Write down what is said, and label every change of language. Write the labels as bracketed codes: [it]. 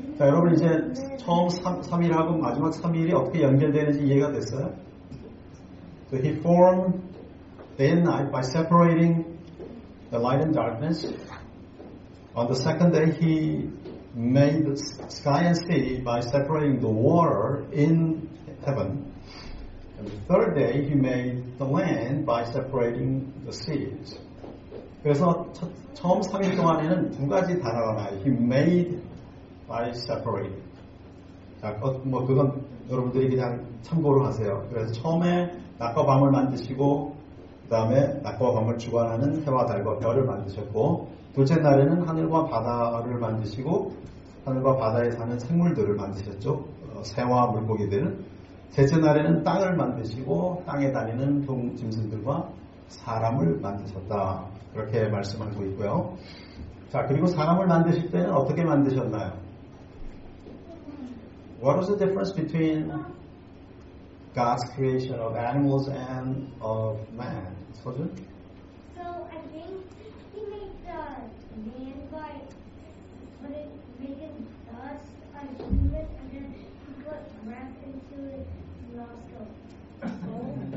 [ko] 자, 여러분 이제 처음 3일하고 마지막 3일이 어떻게 연결되는지 이해가 됐어요? [en] So he formed day and night by separating the light and darkness. On the second day, he made the sky and sea by separating the water in heaven. And the third day, he made the land by separating the seas. [ko] 그래서 처음 3일 동안에는 두 가지 단어가 나와요. [en] He made by separating. [ko] 자, 뭐 그건 여러분들이 그냥 참고로 하세요. 그래서 처음에 낙과 밤을 만드시고 다음에 낮과 밤을 주관하는 해와 달과 별을 만드셨고 둘째 날에는 하늘과 바다를 만드시고 하늘과 바다에 사는 생물들을 만드셨죠. 새와 물고기들. 셋째 날에는 땅을 만드시고 땅에 다니는 동짐승들과 사람을 만드셨다. 그렇게 말씀하고 있고요. 자, 그리고 사람을 만드실 때는 어떻게 만드셨나요? [en] What was the difference between God's creation of animals and of man? [ko] 소준? [en] So I think he made the man by putting dust on his head and then he put breath into his nostril.